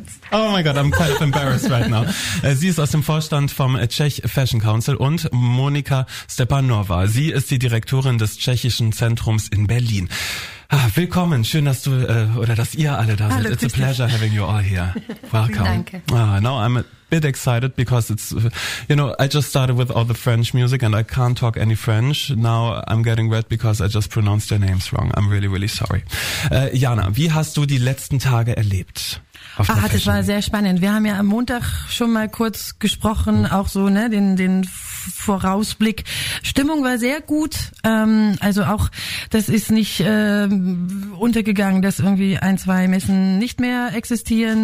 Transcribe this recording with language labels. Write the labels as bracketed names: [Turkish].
[English] Oh my God, I'm kind of embarrassed right now. [German] Sie ist aus dem Vorstand vom Czech Fashion Council und Monika Stepanova. Sie ist die Direktorin des tschechischen Zentrums in Berlin. Ah, willkommen, schön, dass du oder dass ihr alle da seid. [English] It's a pleasure having you all here. Welcome. [German] Danke. [English] Now I'm a bit excited because it's, you know, I just started with all the French music and I can't talk any French. Now I'm getting red because I just pronounced your names wrong. I'm really, really sorry. [German] Jana, wie hast du die letzten Tage erlebt? Das war sehr spannend. Wir haben ja am Montag schon mal kurz gesprochen, auch so, ne, den Vorausblick. Stimmung war sehr gut. Also auch, das ist nicht untergegangen, dass irgendwie ein, zwei Messen nicht mehr existieren.